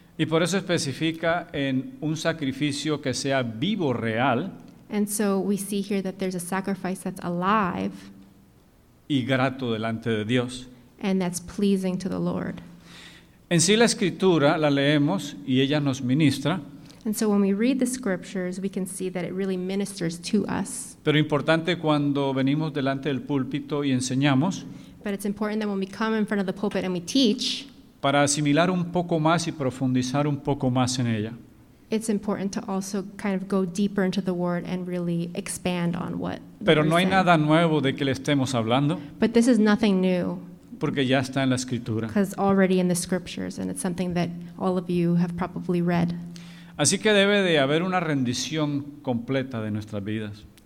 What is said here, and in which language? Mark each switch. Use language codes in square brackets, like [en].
[es] Y por eso especifica en un sacrificio que sea vivo, real. [en] And so we see here that there's a sacrifice that's alive. [es] Y grato delante de Dios. [en] And that's pleasing to the Lord. [es] En sí la escritura la leemos y ella nos ministra. [en] And so when we read the scriptures, we can see that it really ministers to us. [es] Pero importante cuando venimos delante del púlpito y enseñamos. [en] But it's important that when we come in front of the pulpit and we teach. [es] Para asimilar un poco más y profundizar un poco más en ella. [en] It's important to also kind of go deeper into the word and really expand on what. [es] Pero no hay nada nuevo de que le estemos hablando. [en] But this is nothing new. [es] Porque ya está en la escritura. [en] Because already in the scriptures, and it's something that all of you have probably read. [es] Así que debe de haber una rendición completa de nuestras vidas.